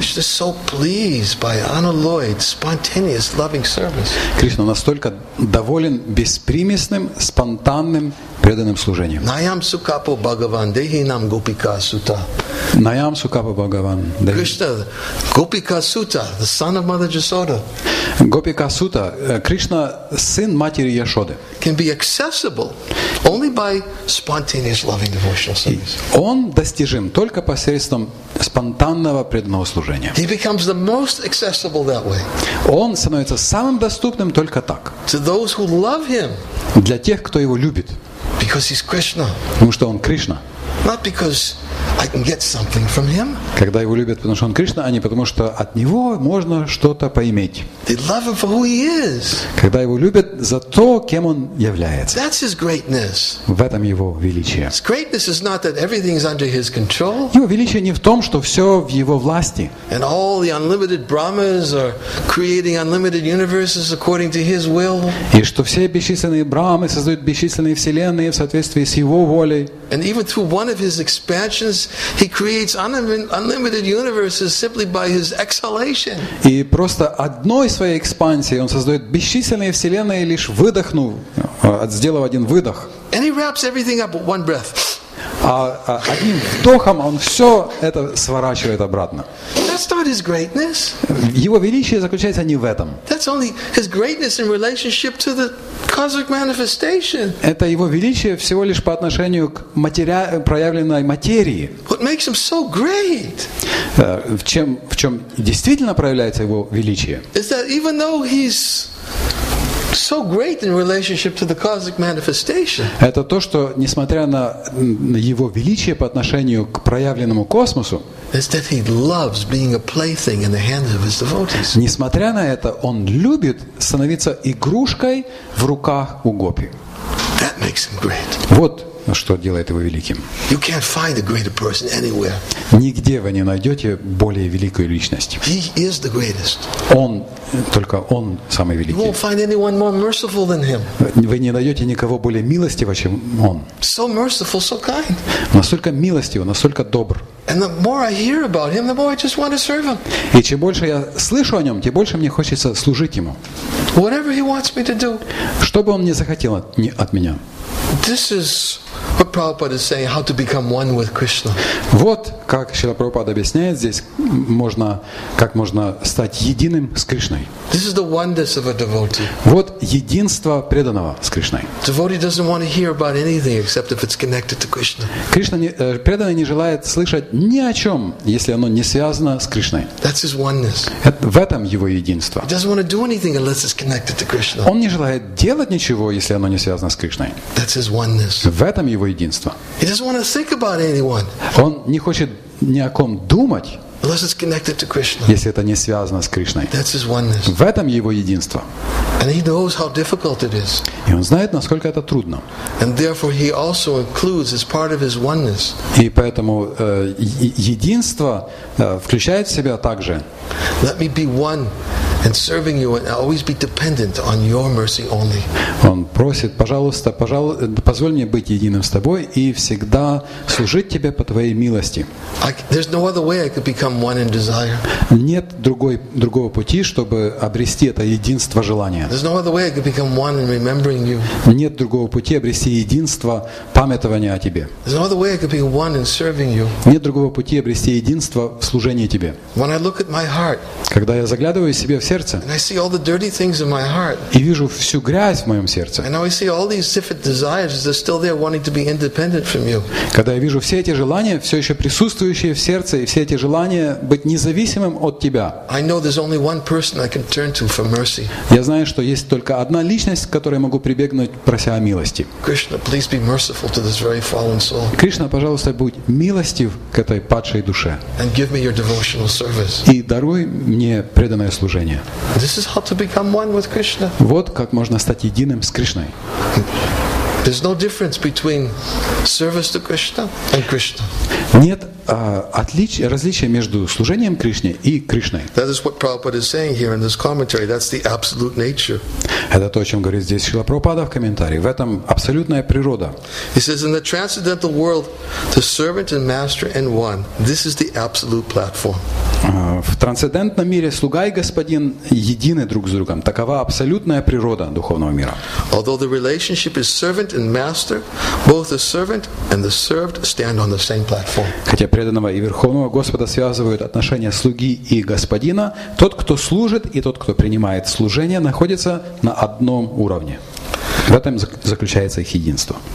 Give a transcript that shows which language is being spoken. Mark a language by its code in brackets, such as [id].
[en] Krishna is so pleased by unalloyed, spontaneous, loving service. [ru] Кришна настолько доволен беспримесным, спонтанным, преданным служением. [sa] Nayam sukapo bhagavan dehi nam gopika suta. Nayam sukapo bhagavan [en] dehi. Krishna, gopika suta, the son of Mother Yashoda. [ru] Гопика Сута, Кришна, сын матери Яшоды. [en] Can be accessible only by spontaneous loving devotional service. [ru] Он достижим только посредством спонтанного преданного служения. [en] He becomes the most accessible that way. [ru] Он становится самым доступным только так. [en] To those who love him. [ru] Для тех, кто его любит. [en] Because he's Krishna. [ru] Потому что он Кришна. [en] Not because I can get something from him. [ru] Когда его любят, потому что он Кришна, а не потому что от него можно что-то поиметь. [en] They love him for who he is. [ru] Когда его любят за то, кем он является. [en] That's his greatness. [ru] В этом его величие. [en] His greatness is not that everything is under his control. [ru] Его величие не в том, что все в его власти. [en] And all the unlimited brahmas are creating unlimited universes according to his will. [ru] И что все бесчисленные брахмы создают бесчисленные вселенные в соответствии с его волей. [en] And even through one of his expansions, he creates unlimited universes simply by his exhalation. [ru] И просто одной своей экспансией он создает бесчисленные вселенные, лишь выдохнув, сделав один выдох. [en] And he wraps everything up with one breath. [ru] А одним вдохом он все это сворачивает обратно. [en] That's not his greatness. [ru] Его величие заключается не в этом. [en] That's only his greatness in relationship to the cosmic manifestation. [ru] Это его величие всего лишь по отношению к проявленной материи. [en] What makes him so great? [ru] В чем действительно проявляется его величие? [en] Is that even though he's so great in relationship to the cosmic manifestation. [ru] Это то, что несмотря на его величие по отношению к проявленному космосу. [en] Is that he loves being a plaything in the hands of his devotees. [ru] Несмотря на это, он любит становиться игрушкой в руках у гопи. [en] That makes him great. [ru] Вот что делает его великим. [en] You can't find a greater person anywhere. [ru] Нигде вы не найдете более великую личность. [en] He is the greatest. [ru] Он, только он самый великий. [en] You won't find anyone more merciful than him. [ru] Вы не найдете никого более милостивого, чем он. [en] So merciful, so kind. [ru] Настолько милостив, настолько добр. [en] And the more I hear about him, the more I just want to serve him. [ru] И чем больше я слышу о нем, тем больше мне хочется служить ему. [en] Whatever he wants me to do. [ru] Что бы он ни захотел от меня. [en] This is what Prabhupada is saying, how to become one with Krishna. [ru] Вот как Шрила Прабхупада объясняет здесь, можно, как можно стать единым с Кришной. [en] This is the oneness of a devotee. [ru] Вот единство преданного с Кришной. [en] Devotee doesn't want to hear about anything except if it's connected to Krishna. [ru] Кришна преданный не желает слышать ни о чем, если оно не связано с Кришной. [en] That's his oneness. [ru] В этом его единство. [en] He doesn't want to do anything unless it's connected to Krishna. [ru] Он не желает делать ничего, если оно не связано с Кришной. [en] That's his oneness. [ru] В этом его единство. [en] He doesn't want to think about anyone. [ru] Он не хочет ни о ком думать, [en] unless it's connected to Krishna. [ru] Если это не связано с Кришной. [en] That's his oneness. [ru] В этом его единство. [en] And he knows how difficult it is. [ru] И он знает, насколько это трудно. [en] And therefore he also includes as part of his oneness. [ru] И поэтому единство включает в себя также. [en] Let me be one and serving you, and always be dependent on your mercy only. [ru] Он просит, пожалуйста, позволь мне быть единым с тобой и всегда служить тебе по твоей милости. [en] There's no other way I could become one in desire. [ru] Нет другого пути, чтобы обрести это единство желания. [en] There's no other way I could become one in remembering you. [ru] Нет другого пути обрести единство памятования о тебе. [en] There's no other way I could be one in serving you. [ru] Нет другого пути обрести единство в служении тебе. [en] When I look at my heart. [ru] Когда я заглядываю себе в сердце, [en] and I see all the dirty things in my heart. [ru] И вижу всю грязь в моем сердце. [en] And now I see all these different desires that are still there, wanting to be independent from you. [ru] Когда я вижу все эти желания, все еще присутствующие в сердце, и все эти желания быть независимым от тебя. [en] I know there's only one person I can turn to for mercy. [ru] Я знаю, что есть только одна личность, к которой могу прибегнуть, прося о милости. [en] Krishna, please be merciful to this very fallen soul. [ru] Кришна, пожалуйста, будь милостив к этой падшей душе. [en] And give me your devotional service. [ru] И даруй мне преданное служение. [en] This is how to become one with Krishna. [ru] Вот как можно стать единым с Кришной. [en] There's no difference between service to Krishna and Krishna. [ru] Нет различия между служением Кришне и Кришной. [en] That is what Prabhupada is saying here in this commentary. That's the absolute nature. [ru] Это то, о чем говорит здесь Шрила Прабхупада в комментарии. В этом абсолютная природа. [en] He says, in the transcendental world, the servant and master and one. This is the absolute platform. [ru] В трансцендентном мире слуга и господин едины друг с другом. Такова абсолютная природа духовного мира. Although the relationship is servant and master, both the servant and the served stand on the same platform. Хотя преданного и верховного Господа связывают отношения слуги и господина, тот, кто служит и тот, кто принимает служение, находится на одном уровне. В этом заключается их единство.